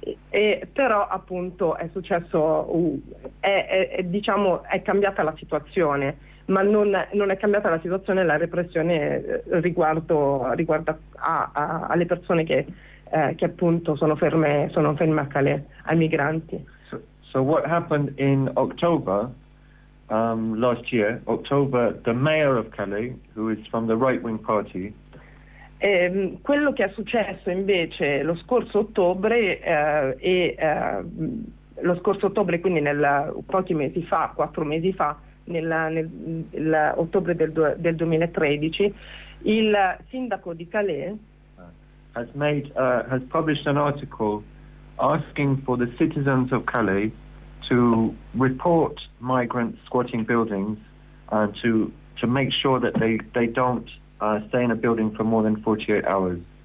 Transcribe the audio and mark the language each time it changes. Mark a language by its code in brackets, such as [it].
[it] E però appunto è successo, è cambiata la situazione, ma non è cambiata la situazione la repressione riguardo alle persone che appunto sono ferme a Calais, ai migranti. [en] So what happened in October last year, October, the mayor of Calais, who is from the right-wing party. [it] Quello che è successo invece lo scorso ottobre quindi pochi mesi fa, 4 mesi fa, nel ottobre del 2013, il sindaco di Calais [en] has published an article asking for the citizens of Calais to report migrant squatting buildings and to make sure that they don't stay in a building for more than 48 hours.